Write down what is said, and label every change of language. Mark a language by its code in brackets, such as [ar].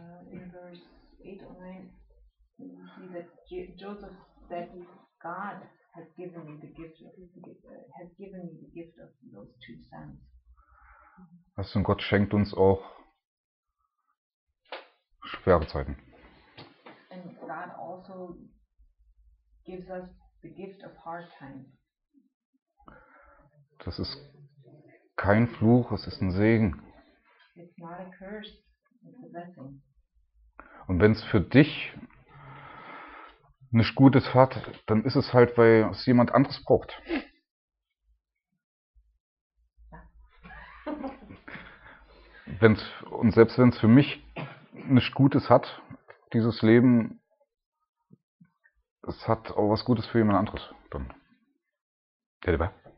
[de] In Vers 8 und 9, [en] we see that Joseph said, God has given me the gift of, has given me the gift of those two sons. [de] Weißt du, Gott schenkt uns auch schwere Zeiten. [en] And God also gives us the gift of hard times. [de] Das ist kein Fluch, es ist ein Segen. [en] It's not a curse, it's a blessing. [de] Und wenn es für dich nicht gut ist, hat, dann ist es halt, weil es jemand anderes braucht. Selbst wenn es für mich nicht Gutes hat, dieses Leben, es hat auch was Gutes für jemand anderes. Dann. Ja, lieber.